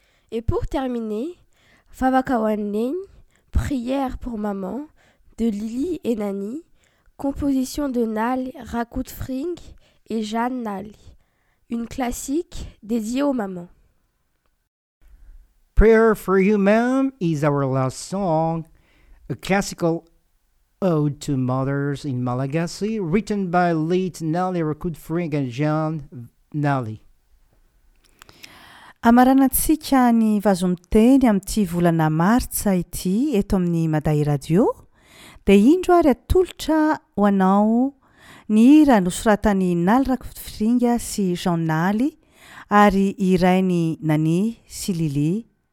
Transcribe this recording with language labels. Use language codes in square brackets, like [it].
[fr] Et pour terminer, [mg] vavaka ho an'i [fr] prière pour maman de Lily et Nani, composition de Nal Rakoutfring et Jeanne Nali, une classique dédiée aux mamans. [en] Prayer for You, Ma'am is our last song, a classical ode to mothers in Malagasy, written by late Nali Rakoutfring and Jeanne Nali. [mg] Amaranatsika ny vazomteny amin'ity volana martsa ity eto amin'ny Madai Radio, dia indro ary atolotra ho anao ny hira nosoratan'i Nal Rakoutfring sy Jean Nali ary irainy Nani sy Lily.